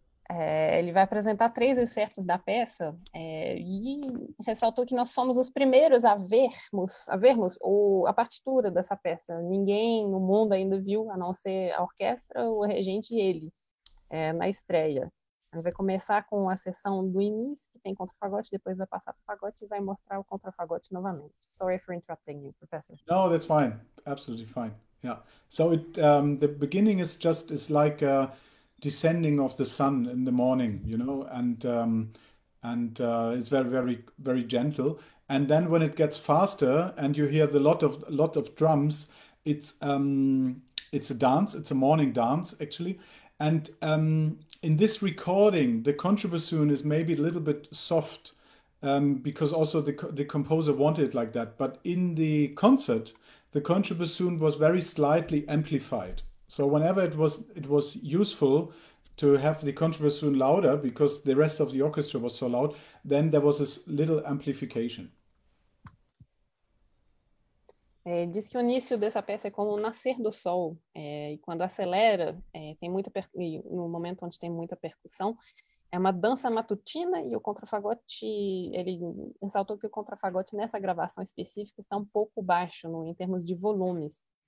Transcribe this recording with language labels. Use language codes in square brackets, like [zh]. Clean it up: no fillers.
[pt] Ele vai apresentar 3 excertos da peça e ressaltou que nós somos os primeiros a vermos a partitura dessa peça. Ninguém no mundo ainda viu, a não ser a orquestra, o regente e ele na estreia. Ele vai começar com a sessão do início, que tem contrafagote, depois vai passar para o fagote e vai mostrar o contrafagote novamente. [en] Sorry for interrupting you, professor. No, that's fine. Absolutely fine. Yeah. So the beginning is just is like a descending of the sun in the morning, you know, and it's very, very, very gentle. And then when it gets faster and you hear the lot of drums, it's a dance. It's a morning dance, actually. And in this recording, the contrabassoon is maybe a little bit soft because also the composer wanted it like that. But in the concert, the contrabassoon was very slightly amplified. So whenever it was useful to have the contrabassoon louder because the rest of the orchestra was so loud, then there was this little amplification. [pt] Diz que o início dessa peça é como o nascer do sol, e quando acelera, no momento onde tem muita percussão, é uma dança matutina e o contrafagote, ele ressaltou que o contrafagote nessa gravação específica está um pouco baixo no, em termos de volumes.